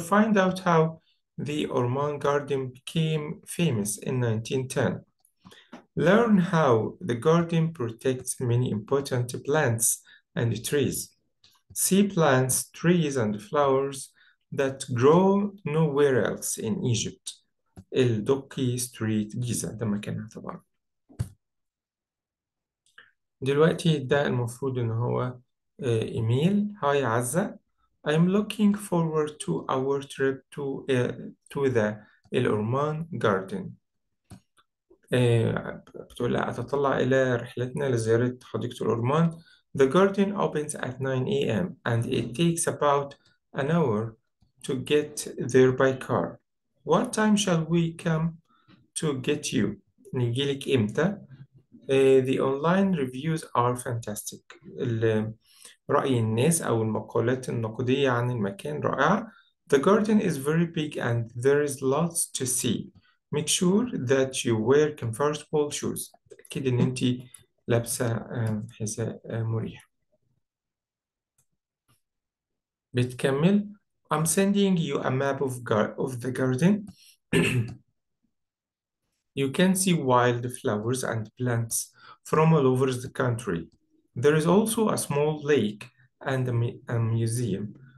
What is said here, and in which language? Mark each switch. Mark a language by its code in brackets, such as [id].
[en] Find out how the Ormond Garden became famous in 1910. Learn how the garden protects many important plants and trees. See plants, trees and flowers that grow nowhere else in Egypt. [ar] الدوكي ستريت جيزة ده مكانها طبعا. دلوقتي ده المفروض ان هو ايميل. هاي عزة. [en] I'm looking forward to our trip to the الأورمان garden. [ar] بتقول لا أتطلع إلى رحلتنا لزيارة حديقة الأورمان. [en] The garden opens at 9 a.m. and it takes about an hour to get there by car. What time shall we come to get you? [ar] نجيلك إمتى؟ [en] The online reviews are fantastic. [ar] رأي الناس أو المقالات النقدية عن المكان رائعة. [en] The garden is very big and there is lots to see. Make sure that you wear comfortable shoes. [ar] تأكد إن أنت لابسة حذاء مريح. بتكمل. [en] I'm sending you a map of the garden. You can see wild flowers and plants from all over the country. There is also a small lake and a museum.